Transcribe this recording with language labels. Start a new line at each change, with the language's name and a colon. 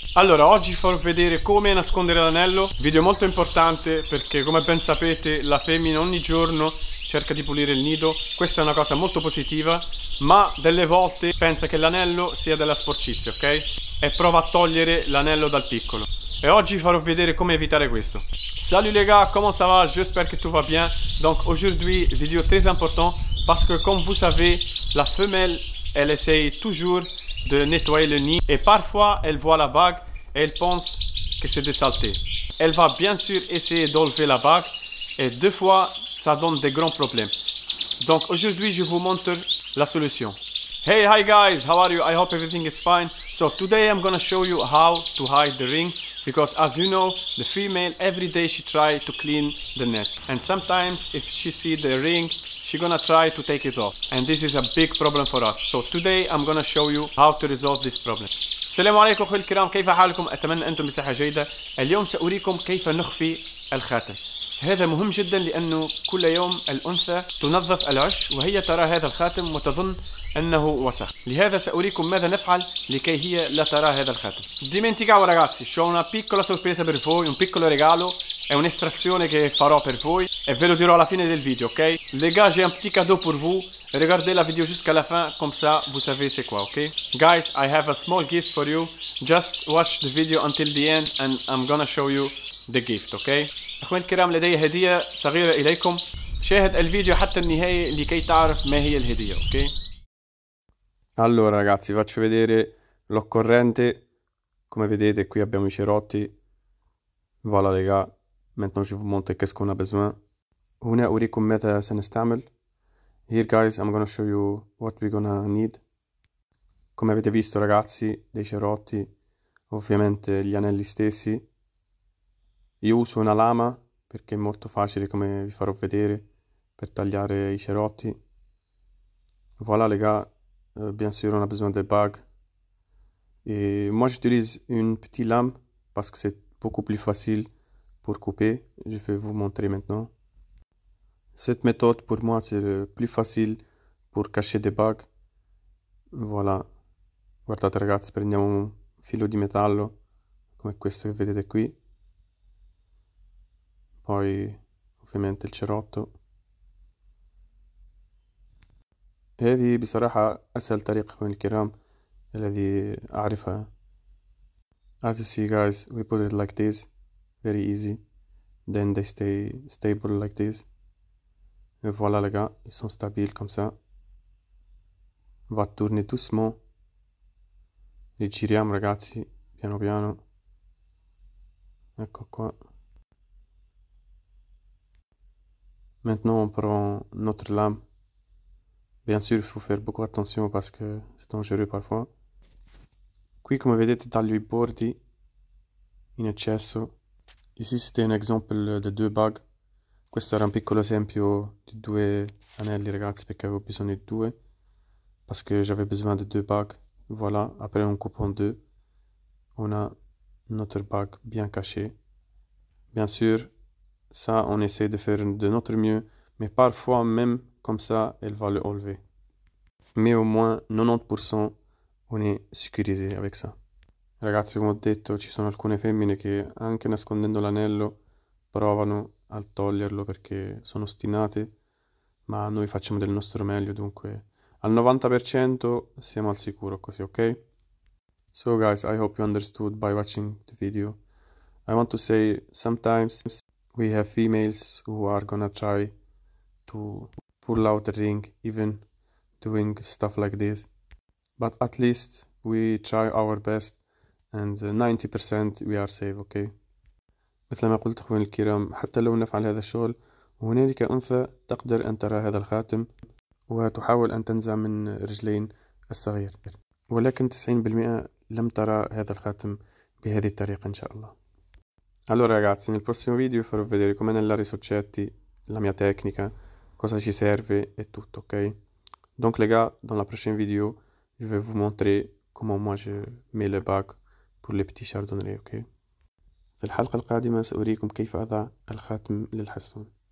Italian: Allora, oggi vi farò vedere come nascondere l'anello. Video molto importante perché, come ben sapete, la femmina ogni giorno cerca di pulire il nido. Questa è una cosa molto positiva, ma delle volte pensa che l'anello sia della sporcizia, ok? E prova a togliere l'anello dal piccolo. E oggi vi farò vedere come evitare questo.
French: Salut les gars, comment ça va? J'espère que tout va bien. Donc aujourd'hui, video très important parce que, comme vous savez, la femelle elle essaye toujours de nettoyer le nid et parfois elle voit la bague et elle pense que c'est des saletés. Elle va bien sûr essayer d'enlever la bague et deux fois ça donne des grands problèmes. Donc aujourd'hui je vous montre la solution.
English: Hey, hi guys, how are you? I hope everything is fine. So today I'm gonna show you how to hide the ring because as you know, the female every day she try to clean the nest and sometimes if she see the ring, she's gonna try to take it off. And this is a big problem for us. So today I'm gonna show you how to resolve this problem.
Arabic: السلام عليكم اخوي الكرام، كيف حالكم؟ اتمنى انتم بصحة جيدة. اليوم ساريكم كيف نخفي الخاتم. هذا مهم جدا لانه كل يوم الانثى تنظف العش وهي ترى هذا الخاتم وتظن انه وسخ. لهذا ساريكم ماذا نفعل لكي هي لا ترى هذا الخاتم.
Italian: Dimenticavo ragazzi, c'ho una piccola sorpresa per voi, un piccolo regalo. È un'estrazione che farò per voi e ve lo dirò alla fine del video, ok?
French: Les gars, j'ai un petit cadeau pour vous. Regardez la vidéo jusqu'à la fin, comme ça vous savez c'est quoi, ok?
English: Guys, I have a small gift for you. Just watch the video until the end and I'm gonna show you the gift, ok?
Arabic: أخوان الكرام، لدي هدية صغيرة إليكم. شاهد الفيديو حتى النهاية لكي تعرف ما هي الهدية, ok?
Italian: Allora ragazzi, faccio vedere l'occorrente. Come vedete qui abbiamo i cerotti.
French: Voilà les gars. Maintenant je vous montre qu'est-ce qu'on a besoin.
Arabic: هنا أريكم ماذا سنستعمل.
English: Here guys, I'm gonna show you what we're gonna need.
Italian: Come avete visto ragazzi, dei cerotti, ovviamente gli anelli stessi. Io uso una lama perché è molto facile, come vi farò vedere, per tagliare i cerotti.
French: Voilà les gars, bien sûr on a besoin de bag. Et moi j'utilise une petite lame parce que c'est beaucoup plus facile pour couper. Je vais vous montrer maintenant. Cette méthode pour moi c'est le plus facile pour cacher des bagues.
Italian: Voilà, guardate ragazzi, prendiamo un filo di metallo come questo che vedete qui, poi ovviamente il cerotto.
Arabic: هذه بصراحة أسهل طريقة من الكرام الذي أعرفها.
English: As you see guys, we put it like this, very easy, then they stay stable like this.
French: Et voilà les gars, ils sont stables comme ça. On va tourner doucement.
Italian: Li giriamo ragazzi, piano piano. Ecco qua.
French: Maintenant on prend notre lame. Bien sûr, il faut faire beaucoup attention parce que c'est dangereux parfois.
Italian: Qui come vedete taglio i bordi in eccesso.
French: Ici c'était un exemple de deux bagues.
Italian: Questo era un piccolo esempio di due anelli ragazzi perché avevo bisogno di due.
French: Parce que j'avais besoin de deux bagues. Voilà, après on coupe en deux. On a notre bague bien cachée. Bien sûr, ça on essaie de faire de notre mieux. Mais parfois même comme ça, elle va le enlever. Mais au moins 90% on est sécurisé avec ça.
Italian: Ragazzi, come ho detto, ci sono alcune femmine che anche nascondendo l'anello provano a toglierlo perché sono ostinate, ma noi facciamo del nostro meglio, dunque al 90% siamo al sicuro così, ok?
English: So guys, I hope you understood by watching the video. I want to say sometimes we have females who are gonna try to pull out the ring even doing stuff like this, but at least we try our best and 90% we are safe, ok?
Arabic: مثل ما قلت أخوان الكرام، حتى لو نفعل هذا الشغل هنالك أنثى تقدر أن ترى هذا الخاتم وتحاول أن تنزع من رجلين الصغير، ولكن 90% لم ترى هذا الخاتم بهذه الطريقة إن شاء الله.
Italian: Allora ragazzi, nel prossimo video farò vedere come annellare i soggetti, la mia tecnica, cosa ci serve e tutto, ok?
French: Donc les gars, dans la prochaine vidéo je vais vous montrer comment moi je mets le bac pour les petits chardonnerets, ok?
Arabic: في الحلقة القادمة سأريكم كيف أضع الخاتم للحصان.